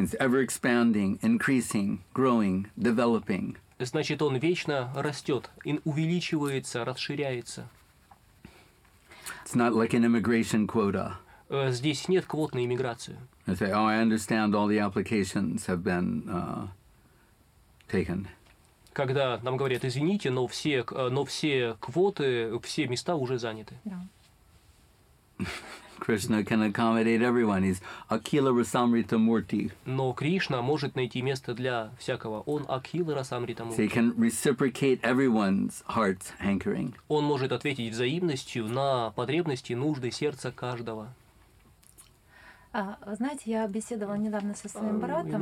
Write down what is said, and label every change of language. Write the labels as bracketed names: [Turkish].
[English] It's ever expanding, increasing, growing, developing. [Russian] Значит, он вечно растет, увеличивается, расширяется. [English] It's not like an immigration quota. [Russian] Здесь нет квот на иммиграцию. [English] I say, oh, I understand all the applications have been taken. [Russian] Когда нам говорят, извините, но все квоты, все места уже заняты. [English] Krishna can accommodate everyone. He's Akhila Rasamrita Murti. [Russian] Но Кришна может найти место для всякого. Он Akhila Rasamrita Murti. [English] So he can reciprocate everyone's heart's hankering. [Russian] Он может ответить взаимностью на потребности, нужды сердца каждого. Знаете, я беседовала недавно со своим братом,